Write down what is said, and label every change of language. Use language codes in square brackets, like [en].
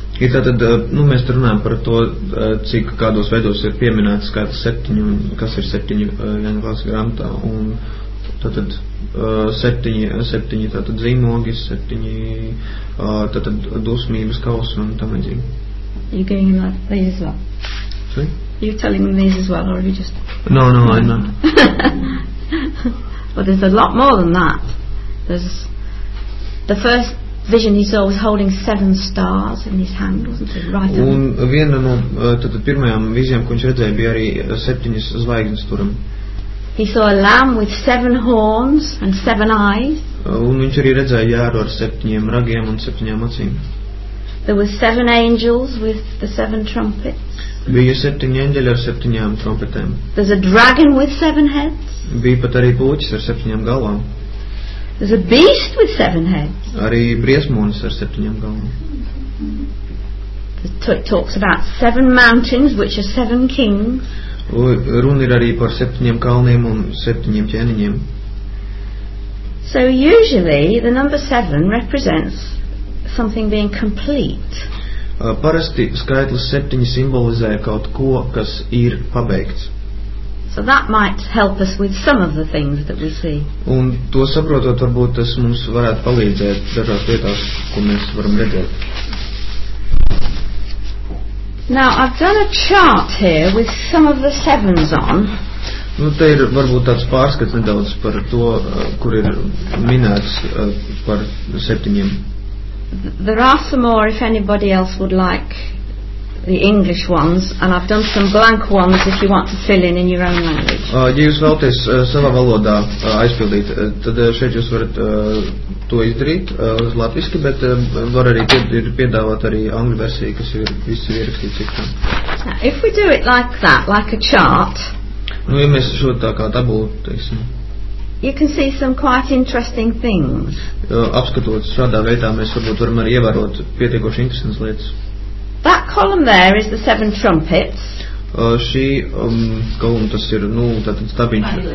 [lv] Ir tātad, nu, mēs runājam par to, cik kādos veidos ir pieminēts skaits septiņu, kas ir septiņu vienklāsu grāmatā, un tātad septiņi tātad zīmogi, septiņi tātad dusmības kausi un tam līdzīgi. [en] You're giving them these as well? See? You're telling them these as well, or are you just... No, I'm not. But there's a lot more than that. There's... The first vision he saw was holding seven stars in his hand, wasn't it? Right. [lv] Un viena no tātad pirmajām vizijām, ko viņš redzēja, bija arī septiņas zvaigznes turam. [en] He saw a lamb with seven horns and seven eyes. [lv] Un viņš arī redzēja jēru ar septiņiem ragiem un septiņām acīm. [en] There were seven angels with the seven trumpets. [lv] Bija septiņi eņģeļi ar septiņām trompetēm. [en] There's a dragon with seven heads. [lv] Bija pat arī pūķis ar septiņām galvām. [en] There's a beast with seven heads. [lv] Arī briesmonis ar septiņām galvām. [en] Talks about seven mountains, which are seven kings. [lv] Runa ir arī par septiņiem kalniem un septiņiem ķēniņiem. [en] So usually the number seven represents something being complete. [lv] Parasti skaitlis septiņi simbolizē kaut ko, kas ir pabeigts. [en] So that might help us with some of the things that we see. [lv] Un to saprotot, varbūt tas mums varētu palīdzēt dažās vietās, ko mēs varam redzēt. [en] Now I've done a chart here with some of the sevens on. [lv] Nu, te ir varbūt tāds pārskats nedaudz par to, kur ir minēts par septiņiem. [en] There are some more if anybody else would like the English ones, and I've done some blank ones if you want to fill in your own language. [lv] Ja jūs vēlaties savā valodā aizpildīt, tad šeit jūs varat to izdarīt uz latviski, bet var arī piedāvāt arī angļu versiju, kas ir viss ir ierakstīts citām. [en] If we do it like that, like a chart. [lv] Nu, ja mēs šo tā kā tabulu, teiksim. [en] You can see some quite interesting things. [lv] Apskatot šādā veidā, mēs varbūt varam arī ievērot pietiekoši interesantas lietas. [en] That column there is the seven trumpets. [lv] Šī kolumna tas ir, nu, tātad stabiņš.